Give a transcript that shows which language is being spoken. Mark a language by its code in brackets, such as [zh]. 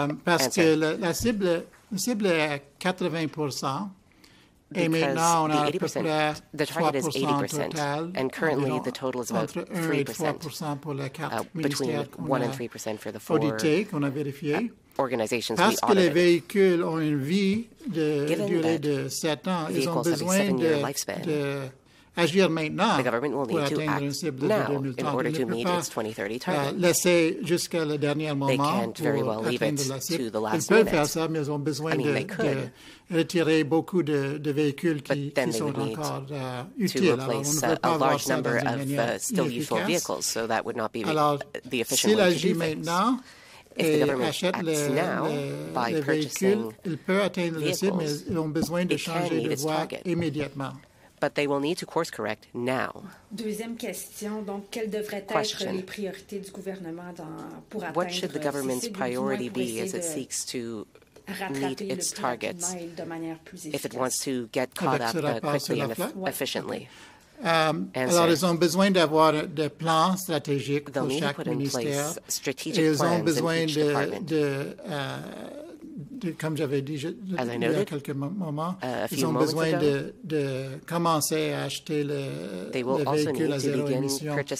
[fr] Parce que la cible est 80%. [en] The target is 80%, and currently the total is about 3%, between 1 and 3% for the four organizations we audited. [fr] Les véhicules ont une vie de durée de 7 ans, ils ont besoin de agir maintenant. [en] The government will need to act now in order to meet its 2030 target. [fr] Laisser jusqu'à le dernier moment [en] they can't very well leave it to the last minute. [fr] Ils peuvent faire ça, mais ils ont besoin de retirer beaucoup de véhicules qui sont encore utiles. Alors, on ne veut pas voir ça dans une manière inefficace. [en] So that would not be [fr] alors, [en] the [fr] s'il agit maintenant, [en] if the government acts now by purchasing vehicles, it can meet its target [fr] immédiatement. [en] But they will need to course correct now. [fr] Deuxième question, donc quelles devraient être les priorités du gouvernement pour atteindre [en] what should the government's priority be as it seeks to meet its targets if it wants to get caught up quickly and efficiently? [fr] Alors, ils ont besoin d'avoir des plans stratégiques pour chaque ministère. [en] Strategic plans in each department. [fr] Ils ont besoin comme j'avais dit je, [en] as [fr] il [en] I noted, [fr] y a quelques moments, ils ont besoin [en] ago, [fr] de commencer à acheter le véhicule à zéro émission